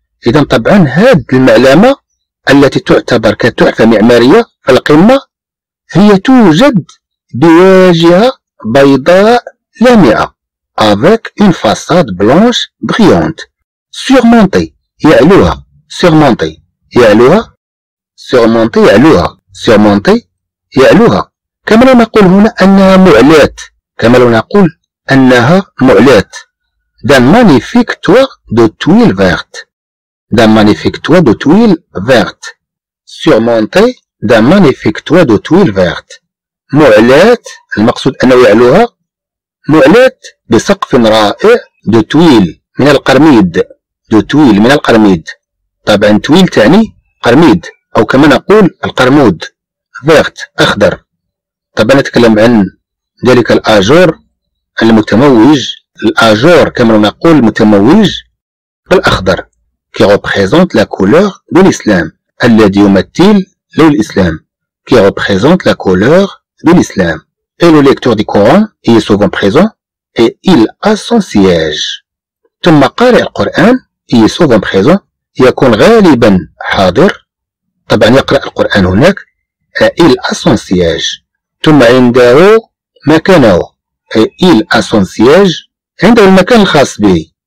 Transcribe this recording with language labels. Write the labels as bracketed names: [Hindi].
[Arabic] إذا طبعا هذه المعلمة التي تعتبر كتحفة معمارية في القمة هي توجد بواجهة بيضاء لامعة [French] avec une façade blanche brillante surmontée [Arabic] يعلوها، surmontée يعلوها، surmontée يعلوها، surmontée يعلوها. كما لو نقول هنا أنها معلات، [French] كما لو نقول أنها معلات، d'un magnifique toit de tuiles vertes، d'un magnifique toit de tuiles vertes surmonté d'un magnifique toit de tuiles vertes. [Arabic] معلات المقصود انه يعلوها، معلات بسقف رائع، دو تويل من القرميد، دو تويل من القرميد، طبعا تويل تعني قرميد او كما نقول القرمود، فيرت اخضر. طبعا نتكلم عن ذلك الاجور المتموج، الاجور كما نقول متموج بالاخضر، [French] qui représente la couleur de l'islam، [Arabic] الذي يمثل لون الاسلام، qui représente la couleur de l'islam. [French] Et le lecteur du Coran est souvent présent et il a son siège. [Arabic] ثم قارئ القران [French] est souvent présent، [Arabic] يكون غالبا حاضر، طبعا يقرا القران هناك، [French] il a son siège. [Arabic] ثم عنده مكانه، [French] il a son siège، [Arabic] عنده المكان الخاص به.